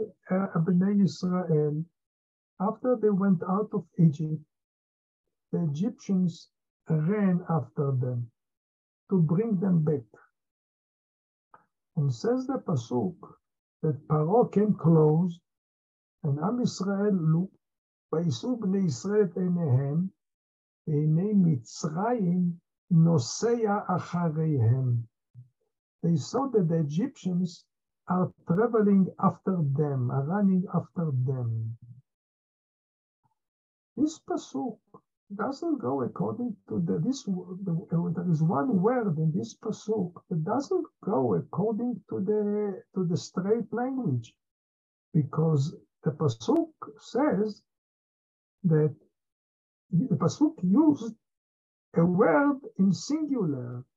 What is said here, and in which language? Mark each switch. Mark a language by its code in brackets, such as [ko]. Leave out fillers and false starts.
[en] After they went out of Egypt, the Egyptians ran after them to bring them back. And says the Pasuk that Paro came close, and Am Israel looked, [he] ויישאו בני ישראל את עיניהם, והנה מצרים נוסע אחריהם. [en] They saw that the Egyptians are traveling after them, are running after them. This pasuk doesn't go according to there is one word in this pasuk that doesn't go according to the straight language, because the pasuk says that the pasuk used a word in singular.